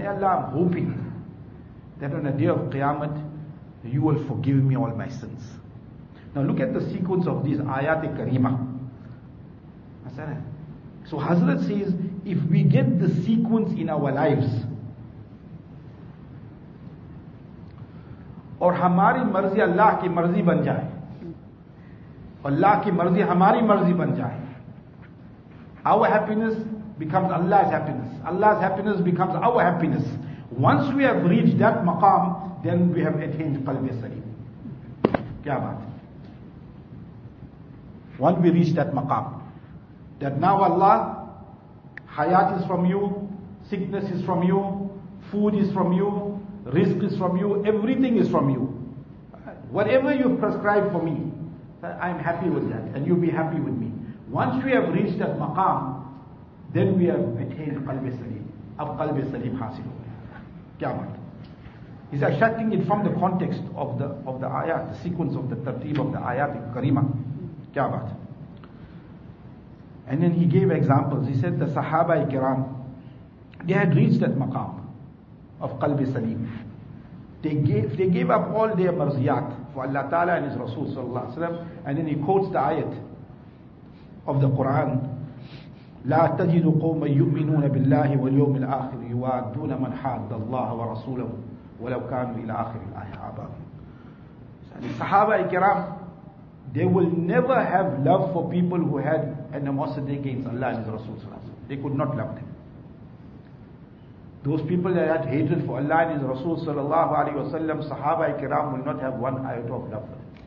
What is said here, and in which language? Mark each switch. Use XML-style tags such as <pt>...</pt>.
<en>Hey Allah, I'm hoping that on the day of Qiyamah, you will forgive me all my sins. Now look at the sequence of these ayat-e kareema. So Hazrat says, if we get the sequence in our lives,</en> <ur>اور ہماری مرضی اللہ کی مرضی بن جائے، اللہ کی مرضی ہماری مرضی بن جائے.</ur> <en>Our happiness becomes Allah's happiness. Allah's happiness becomes our happiness. Once we have reached that maqam, then we have attained qalbi salim.</en> <ur>Kya baat?</ur> <en>Once we reach that maqam, that now Allah, hayat is from you, sickness is from you, food is from you, rizq is from you, everything is from you. Whatever you prescribe for me, I'm happy with that, and you'll be happy with me. Once we have reached that maqam, then we have attained qalbi salim.</en> <ur>Ab qalbi salim hasil ho gaya. Kya matlab?</ur> <en>He's extracting it from the context of the ayat, the sequence of the tartib of the ayat karima.</en> <ur>Kya baat?</ur> <en>And then he gave examples. He said the sahaba ikram, they had reached that maqam of qalbi salim. They gave up all their marziyat for Allah Ta'ala and his Rasul sallallahu alaihi wasallam. And then he quotes the ayat of the Quran,</en> <ar>لا تجد قوما يؤمنون بالله واليوم الآخر يوادون من حاد الله ورسوله ولو كانوا إلى آخر الآية آباءهم.</ar> <en>Sahaba ikram, they will never have love for people who had animosity against Allah and the Rasul sallallahu alaihi wasallam. They could not love them. Those people that had hatred for Allah and his Rasul sallallahu alaihi wasallam, Sahaba ikram will not have one iota of love for them.</en>